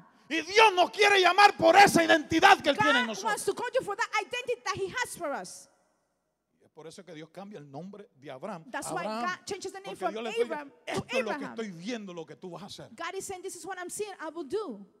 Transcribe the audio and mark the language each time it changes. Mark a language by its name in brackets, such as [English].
[Spanish] Y Dios nos quiere llamar por esa identidad que Él tiene en nosotros. [English] God wants to call you for that identity that He has for us. [Spanish] Es por eso que Dios cambia el nombre de Abraham. [English] That's Abraham, why God changes the name from Abraham [Spanish] esto [English] to Abraham. [Spanish] Esto es lo que estoy viendo, lo que tú vas a hacer. [English] God is saying, this is what I'm seeing, I will do.